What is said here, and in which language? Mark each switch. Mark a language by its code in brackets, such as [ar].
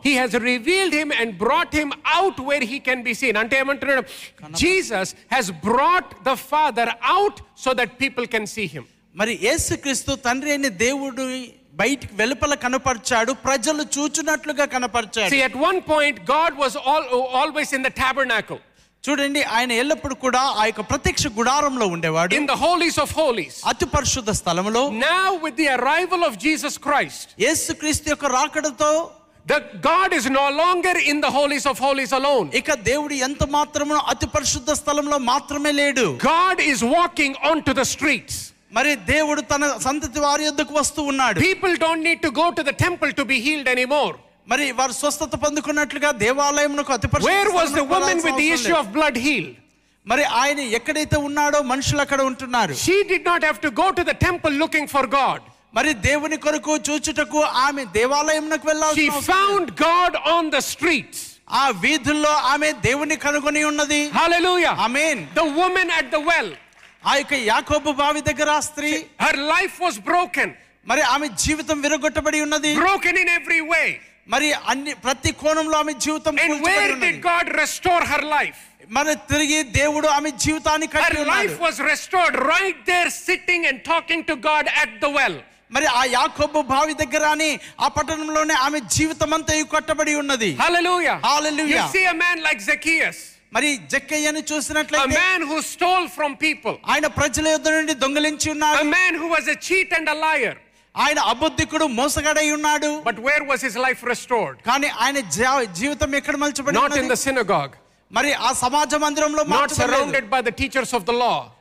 [en] He has revealed him and brought him out where he can be seen. [te] అంటే ఏమంటున్నాడు, [en] Jesus has brought the father out so that people can see him. [te] మరి యేసుక్రీస్తు తండ్రి అయిన దేవుడు బయటికి వెలుపల కనపరిచాడు, ప్రజలు చూచినట్లుగా కనపరిచాడు. [en] See, at one point God was always in the tabernacle. [te] చూడండి, ఆయన ఎల్లప్పుడూ కూడా ఆ యొక్క ప్రత్యక్ష గుడారంలో ఉండేవాడు. [en] In the holies of holies. [te] అతి పరిశుద్ధ స్థలములో. [en] Now with the arrival of Jesus Christ. [te] యేసుక్రీస్తు యొక్క రాకడతో [en] the God is no longer in the holies of holies alone. [te] ఇక దేవుడు ఎంత మాత్రమును అతి పరిశుద్ధ స్థలములో మాత్రమే లేడు. [en] God is walking onto the streets. [te] మరి దేవుడు తన సంతతి వారి యొద్దకు వస్తూ ఉన్నాడు. [en] People don't need to go to the temple to be healed anymore. [te] మరి వారు స్వస్థత పొందుకున్నట్లుగా దేవాలయమునకు అతి పరిశుద్ధ. [en] Where was the woman with the issue of blood healed? [te] మరి ఆయన ఎక్కడైతే ఉన్నాడో మనుషులు అక్కడ ఉంటున్నారు. [en] She did not have to go to the temple looking for God. [te] మరి దేవుని కొరకు చూచుటకు ఆమె దేవాలయమునకు వెళ్ళాల్సి వచ్చింది. [en] She found God on the streets. [te] ఆ వీధుల్లో ఆమె దేవుని కనుగొని ఉన్నది. [en] Hallelujah. Amen. The woman at the well. [te] ఆయొక్క యాకోబు బావి దగ్గర ఆ స్త్రీ, [en] Her life was broken. [te] మరి ఆమె జీవితం విరగొట్టబడి ఉన్నది. [en] Broken in every way. [te] మరి అన్ని ప్రతి కోణంలో ఆమె జీవితం. [en] And where did God restore her life? [te] మరి తిరిగి దేవుడు ఆమె జీవితాన్ని కట్టి ఉన్నాడు. [en] Her life was restored right there sitting and talking to God at the well. [te] మరి ఆ యాకోబు బావి దగ్గర అని ఆ పట్టణంలోనే ఆమె జీవితం అంతా కట్టబడి ఉన్నది. హల్లెలూయా, హల్లెలూయా. [en] You see a man like Zacchaeus. [te] మరి జక్కయ్యను చూసినట్లయితే [en] a man who stole from people [te] ఆయన ప్రజల యొద్ద నుండి దొంగిలించి ఉన్నాడు [en] a man who was a cheat and a liar [te] ఆయన అబద్ధికుడు మోసగాడై ఉన్నాడు [en] but where was his life restored [te] కానీ ఆయన జీవితం ఎక్కడ మలచబడింది [en] not in the synagogue [te] మరి ఆ సమాజ మందిరంలో [en] not surrounded by the teachers of the law